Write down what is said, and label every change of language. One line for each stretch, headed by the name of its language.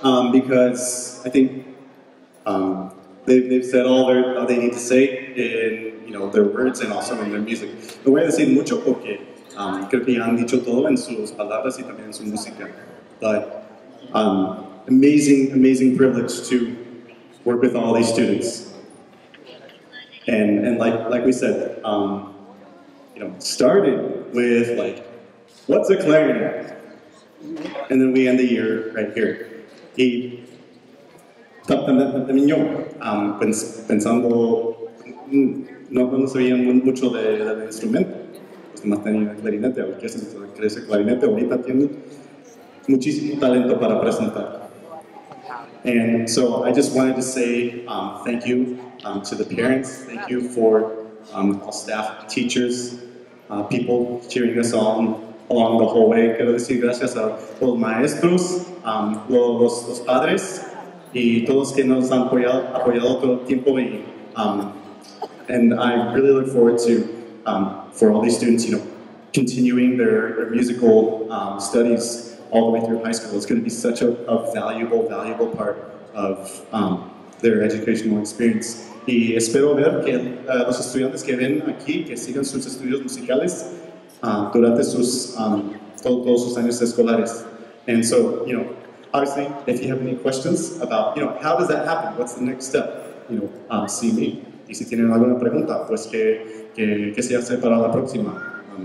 English: Because I think they've said all they need to say in, you know, their words and also in their music.
Spanish: Lo voy a decir mucho porque creo que han dicho todo en sus palabras y también en su música.
English: But amazing privilege to work with all these students. And like we said, you know, started with like, what's a clarinet? And then we end the year right here.
Spanish: Y también yo, pensando, no sabía mucho del instrumento. Los demás tenían clarinete, crece clarinete, ahorita tiene muchísimo talento para presentar.
English: And so I just wanted to say thank you to the parents, thank you for all staff, teachers, people cheering us on, along the whole way.
Spanish: Quiero decir gracias a todos los maestros, los padres y todos que nos han apoyado todo el tiempo.
English: Y, and I really look forward to for all these students, you know, continuing their musical studies all the way through high school. It's going to be such a valuable part of their educational experience.
Spanish: Y espero ver que los estudiantes que ven aquí, que sigan sus estudios musicales durante sus todos sus años escolares.
English: And so, you know, obviously, if you have any questions about, you know, how does that happen? What's the next step? You know, see me.
Spanish: Y si tienen alguna pregunta, pues que se hace para la próxima.